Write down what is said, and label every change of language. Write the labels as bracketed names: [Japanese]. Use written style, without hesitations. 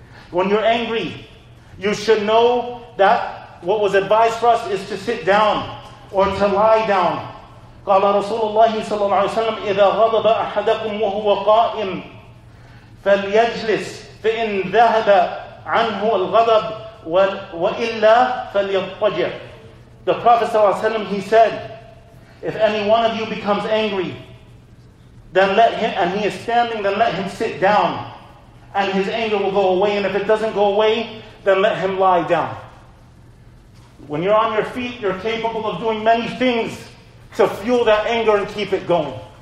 [English] When you're angry, you should know that what was advised for us is to sit down or to lie down. [Arabic] قال رسول الله صلى الله عليه وسلم إذا غضب أحدكم وهو قائم فليجلس فإن ذهب عنه الغضب وإلا فليضطجع. [English] The Prophet ﷺ, he said, if any one of you becomes angry, then let him, and he is standing, then let him sit down. and his anger will go away. And if it doesn't go away, then let him lie down. When you're on your feet, you're capable of doing many things to fuel that anger and keep it going.